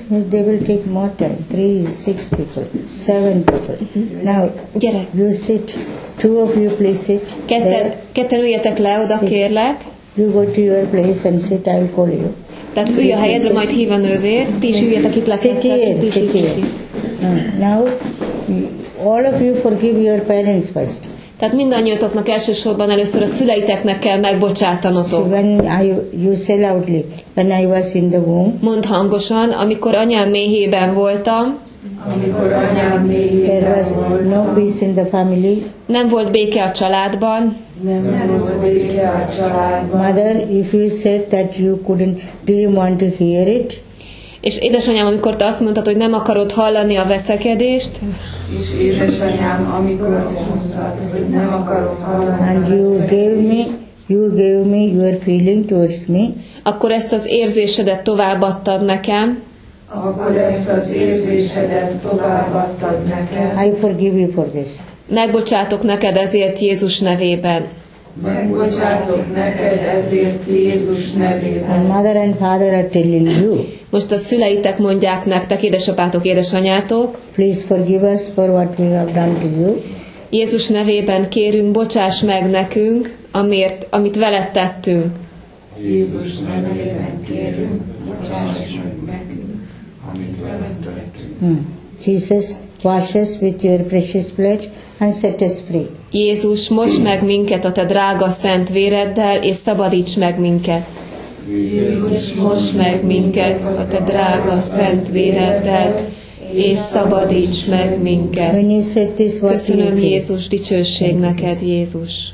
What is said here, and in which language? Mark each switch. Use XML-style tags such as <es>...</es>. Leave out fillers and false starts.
<en>They will take more time. Three, six people, seven people. Mm-hmm. Now,</en> <hu>gyere.</hu> <en>You sit. Two of you please sit.</en> <hu>Ketten üljetek le, oda kérlek.</hu> <en>You go to your place and sit, I'll call you.</en> <hu>Tehát ülj a helyedre, majd hív a nővér. Ti is üljetek itt le.</hu> <en>Sit here, sit here. Now, all of you forgive your parents first.</en> <hu>Tehát mindannyiatoknak elsősorban először a szüleiteknek kell megbocsátanotok.</hu> <en>So when you say loudly, when I was in the womb.</en> <hu>Mondd hangosan, amikor anyám méhében voltam. Amikor anyám méhében</hu> <en>there was</en> <hu>voltam.</hu> <en>No peace in the family.</en> <hu>Nem volt béke a családban.</hu> <en>Mother, if you said that you couldn't, didn't want to hear it.</en> <hu>És édesanyám, amikor te azt mondtad, hogy nem akarod hallani a veszekedést. És édesanyám, amikor azt mondtad, hogy nem akarod hallani and a veszekedést.</hu> <en>And you gave me your feeling towards me.</en> <hu>Akkor ezt az érzésedet továbbadtad nekem. Akkor ezt az érzésedet továbbadtad nekem.</hu> <en>I forgive you for this.</en> <hu>Megbocsátok neked ezért Jézus nevében. Megbocsátok neked ezért Jézus nevében.</hu> <en>And mother and father are telling you.</en> <hu>Most a szüleitek mondják nektek, édesapátok, édesanyátok.</hu> <en>Please forgive us for what we have done to you.</en> <hu>Jézus nevében kérünk, bocsáss meg nekünk, amit veled tettünk. Jézus nevében kérünk, bocsáss meg nekünk, amit veled tettünk.</hu> <en>Jesus, wash us with your precious blood and set us free.</en> <hu>Jézus, mosd meg minket a te drága szent véreddel, és szabadíts meg minket. Jézus, mosd meg minket a te drága szent véreddel, és szabadíts meg minket. Köszönöm Jézus, dicsőség neked, Jézus.</hu>